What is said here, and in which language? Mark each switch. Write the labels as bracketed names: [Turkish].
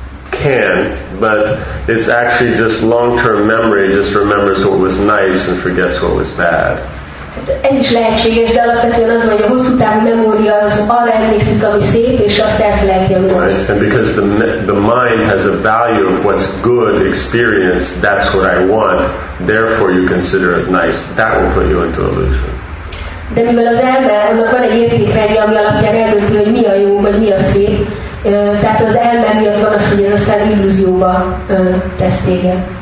[English] Can, but it's actually just long-term memory just remembers what was nice and forgets what was bad. [Hungarian] Ez is lehetséges, de alapvetően az, hogy a hosszú távú memória az arra emlékszik, ami szép, és azt elfelejti, ami rossz. [English] And because the mind has a value of what's good experience, that's what I want, therefore you consider it nice. That will put you into illusion. [Hungarian] De mivel az elme, annak van egy értékrendje, ami alapján eldönti, hogy mi a jó, vagy mi a szép. Tehát az elme miatt van az, hogy ez aztán illúzióba tesz téged.